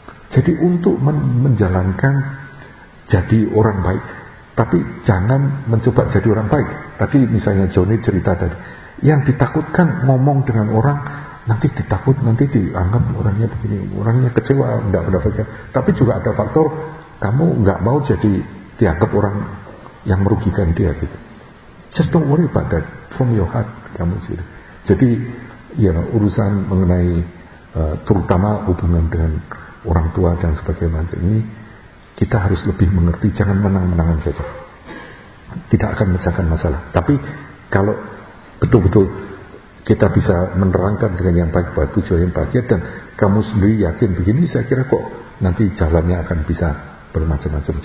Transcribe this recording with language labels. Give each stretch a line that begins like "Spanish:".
Indonesian: Jadi untuk menjalankan jadi orang baik, tapi jangan mencoba jadi orang baik. Tadi misalnya Johnny cerita tadi, yang ditakutkan ngomong dengan orang, nanti ditakut, nanti dianggap orangnya begini, orangnya kecewa, enggak mendapatkan. Tapi juga ada faktor, kamu enggak mau jadi dianggap orang yang merugikan dia gitu.
English: Just don't worry about that, from your heart,
Indonesian: kamu sendiri. Jadi, ya, urusan mengenai, terutama hubungan dengan orang tua dan sebagainya ini, kita harus lebih mengerti, jangan menang-menangan saja. Tidak akan mencahkan masalah. Tapi kalau betul-betul kita bisa menerangkan dengan yang baik bahwa tujuan yang bahagia, dan kamu sendiri yakin begini, saya kira kok nanti jalannya akan bisa bermacam-macam.